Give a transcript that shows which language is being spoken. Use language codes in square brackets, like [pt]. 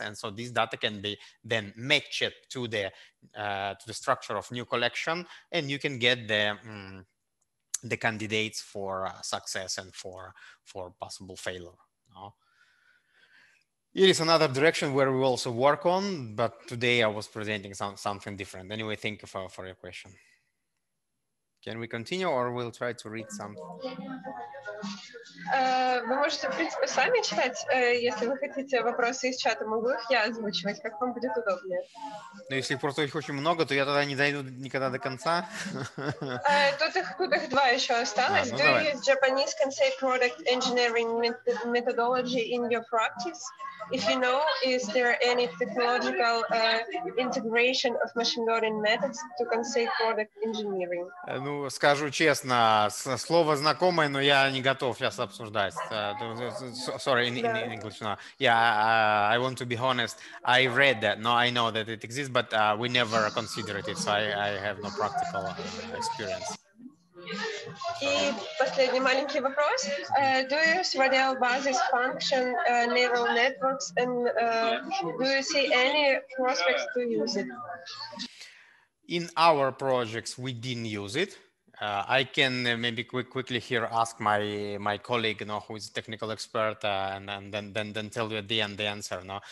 [en] And so this data can be then matched to the structure of new collection, and you can get the candidates for success and for possible failure. No? It is another direction where we also work on, but today I was presenting something different. Anyway, thank you for your question. OK. Can we continue or we'll try to read some? [ru] Вы можете, в принципе, сами читать, если вы хотите вопросы из чата, могу их я озвучивать, как вам будет удобнее. Ну, если их просто очень много, то я тогда не дойду никогда до конца. Тут их, два еще осталось. [en] Do you use Japanese concept product engineering methodology in your practice? If you know, is there any technological integration of machine learning methods to concept product engineering? [ru] Ну, скажу честно, слово знакомое, но я не готов сейчас обсуждать. [en] Sorry, in English. No. Yeah, I want to be honest. I read that, no, I know that it exists, but we never considered it, so I have no practical experience. [ru] И последний маленький вопрос. [en] Do you use radial basis function neural networks and do you see any prospects to use it? In our projects, we didn't use it. I can maybe quickly here ask my colleague, you know, who is a technical expert, and then tell you at the end the answer, no?